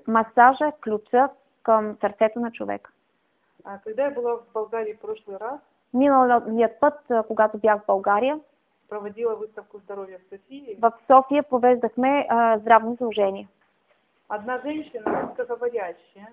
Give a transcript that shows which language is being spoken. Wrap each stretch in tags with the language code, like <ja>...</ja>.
<bg>Массаж е ключа към сърцето на човека.</bg> <ru>А когда я была в Болгарии в прошлый раз?</ru> <bg>Миналият път, когато бях в България.</bg> <ru>Проводила выставку здоровья в Софии.</ru> <bg>В София провеждахме здравно изложение.</bg> <ru>Одна женщина, русскоговорящая.</ru>